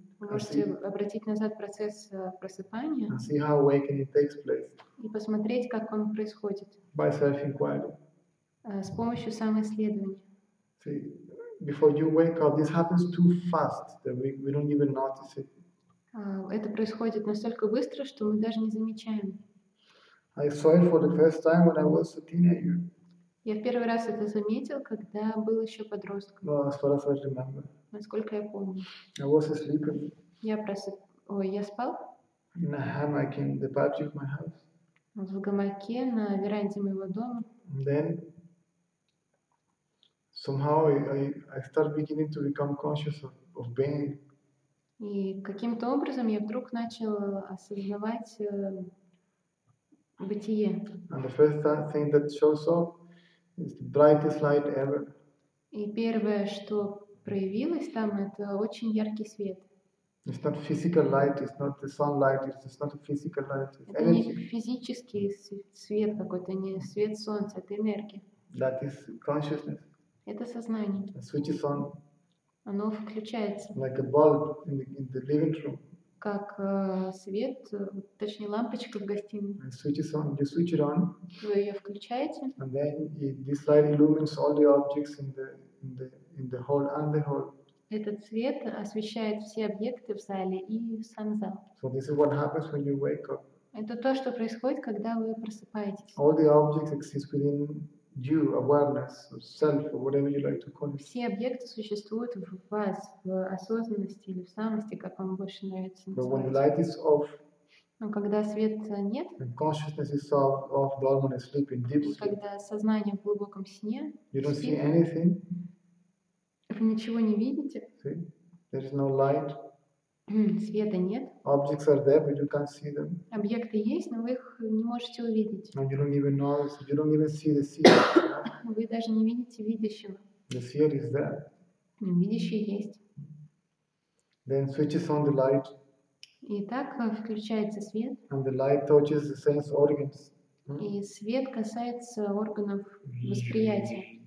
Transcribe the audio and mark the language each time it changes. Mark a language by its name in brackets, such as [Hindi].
[Russian] Вы можете обратить назад процесс просыпания. [English] And see how awakening takes place. [Russian] И посмотреть, как он происходит. [English] By self-inquiry. [Russian] С помощью самоисследования. [English] See, before you wake up, this happens too fast that we don't even notice it. [Russian] Это происходит настолько быстро, что мы даже не замечаем. [English] I saw it for the first time when I was a teenager. [Russian] Я в первый раз это заметил, когда был еще подростком. [English] Well, as far as I remember. [Russian] Насколько я помню. [English] I was sleeping. [Russian] Я спал. [English] In a hammock in the patio of my house. [Russian] В гамаке на веранде моего дома. [English] And then somehow I start beginning to become conscious of being. [Russian] И каким-то образом я вдруг начал осознавать бытие. [English] And the first thing that shows up is the brightest light ever. [Russian] И первое, что проявилось там, это очень яркий свет. [English] It's not physical light, it's not the sunlight, it's not a physical light, it's energy. [Russian] Это не физический свет какой-то, не свет солнца, это энергия. [English] That is consciousness. [Russian] Это сознание. [English] It switches on. [Russian] Оно включается. [English] Like a bulb in the living room. [Russian] Как свет, точнее лампочка в гостиной. [English] You switch it on. [Russian] Вы ее включаете. [English] And then this light illumines all the objects in the hall and the hall. [Russian] Этот свет освещает все объекты в зале и сам зал. [English] So this is what happens when you wake up. [Russian] Это то, что происходит, когда вы просыпаетесь. [English] All the objects exist within you, awareness, or self, or whatever you like to call it. [Russian] Все объекты существуют в вас, в осознанности или в самости, как вам больше нравится. [English] But when the light is off. [Russian] Но когда света нет. [English] And consciousness is off, dormant, sleeping, deep sleep. [Russian] Когда сознание в глубоком сне. [English] You don't see anything. [Russian] Вы ничего не видите. [English] See? There is no light. [Russian] Света нет. [English] Objects are there, but you can't see them. [Russian] Объекты есть, но вы их не можете увидеть. [English] And you don't even know, so you don't even see the seer. [Russian] Вы даже не видите видящего. [English] The seer is there. [Russian] Видящий есть. [English] Then switches on the light. [Russian] И так включается свет. [English] And the light touches the sense organs. [Russian] И свет касается органов восприятия.